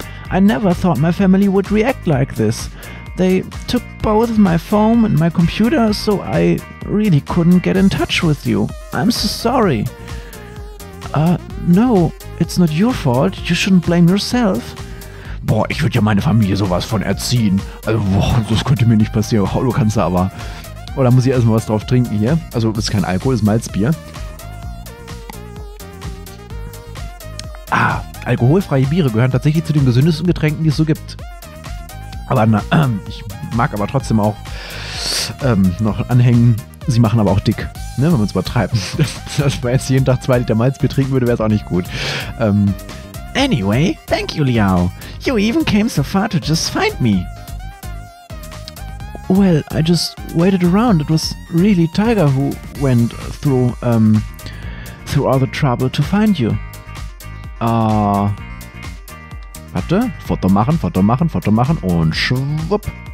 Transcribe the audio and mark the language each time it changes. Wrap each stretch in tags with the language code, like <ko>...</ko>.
<en>I never thought my family would react like this. They took both my phone and my computer, so I really couldn't get in touch with you. I'm so sorry. No, it's not your fault. You shouldn't blame yourself.</en> <de>Boah, ich würde ja meine Familie sowas von erziehen. Also, boah, das könnte mir nicht passieren. Oh, du kannst da aber. Oder muss ich erstmal was drauf trinken hier? Also, das ist kein Alkohol, das ist Malzbier. Ah, alkoholfreie Biere gehören tatsächlich zu den gesündesten Getränken, die es so gibt. Aber na, ich mag aber trotzdem auch noch anhängen. Sie machen aber auch dick, ne, wenn man es übertreibt. Wenn man jetzt jeden Tag 2 Liter Malzbier trinken würde, wäre es auch nicht gut.</de> <en>Anyway, thank you, Liao. You even came so far to just find me. Well, I just waited around. It was really Tiger who went through through all the trouble to find you.</en> <de>Warte, Foto machen, Foto machen, Foto machen und schwupp.</de>